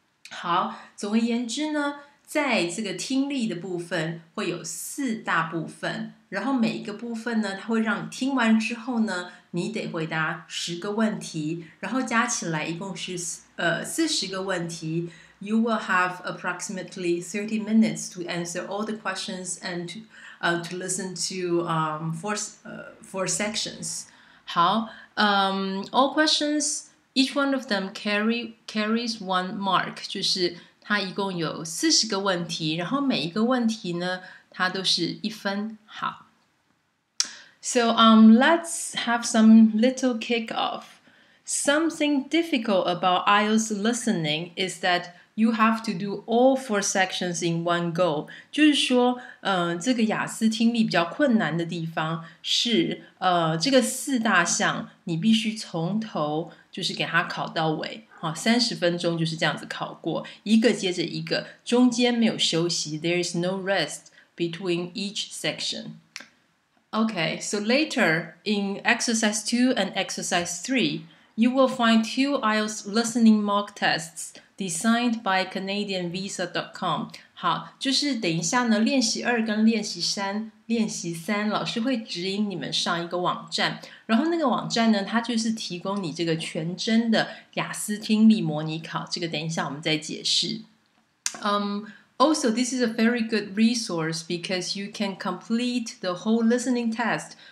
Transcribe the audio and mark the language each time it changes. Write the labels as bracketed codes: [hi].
[zh] 好，总而言之呢，在这个听力的部分会有四大部分，然后每一个部分呢，它会让你听完之后呢，你得回答十个问题，然后加起来一共是40个问题。 [en] You will have approximately 30 minutes to answer all the questions and to listen to four sections. [zh] 好， [en] all questions, each one of them carries one mark， [zh] 就是它一共有40个问题，然后每一个问题呢，它都是一分。好。 [en] So, let's have some little kickoff. Something difficult about IELTS listening is that you have to do all four sections in one go. [zh] 就是说，这个雅思听力比较困难的地方是，这个四大项你必须从头就是给它考到尾。好，30分钟就是这样子考过，一个接着一个，中间没有休息， [en] There is no rest between each section. Okay, so later in exercise 2 and exercise 3, you will find two IELTS listening mock tests designed by CanadianVisa.com. [zh] 好，就是等一下呢，练习2跟练习三，老师会指引你们上一个网站，然后那个网站呢，它就是提供你这个全真的雅思听力模拟考，这个等一下我们再解释。 [en] Also, this is a very good resource because you can complete the whole listening test